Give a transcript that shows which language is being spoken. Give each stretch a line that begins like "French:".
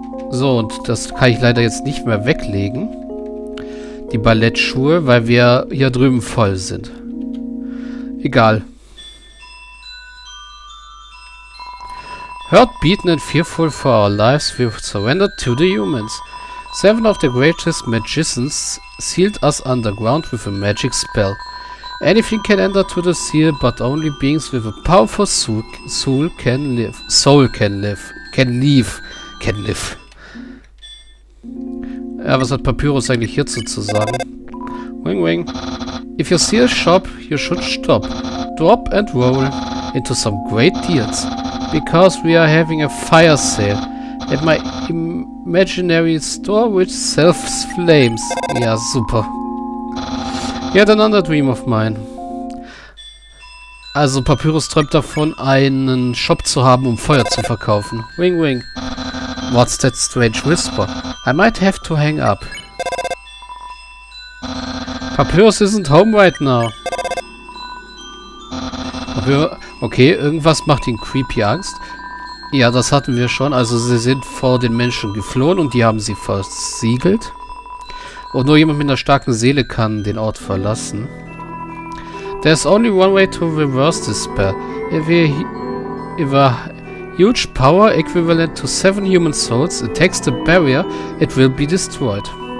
German: So, und das kann ich leider jetzt nicht mehr weglegen. Die Ballettschuhe, weil wir hier drüben voll sind. Egal.
English: Heard beaten and fearful for our lives, we've surrendered to the humans. 7 of the greatest magicians sealed us underground with a magic spell. Anything can enter to the seal, but only beings with a powerful soul can live.
German: Ja, was hat Papyrus eigentlich hierzu zu sagen? Wing wing.
English: If you see a shop, you should stop. Drop and roll into some great deals. Because we are having a fire sale at my imaginary store which sells flames.
German: Ja, super.
English: Yet another dream of mine.
German: Also Papyrus träumt davon, einen Shop zu haben, um Feuer zu verkaufen.
English: Wing wing. What's that strange whisper? I might have to hang up. Papyrus isn't home right now.
German: Okay, irgendwas macht ihn creepy Angst. Ja, das hatten wir schon. Also sie sind vor den Menschen geflohen und die haben sie versiegelt. Und nur jemand mit einer starken Seele kann den Ort verlassen.
English: There's only one way to reverse this spell. If a huge power equivalent to 7 human souls attacks the barrier, it will be destroyed.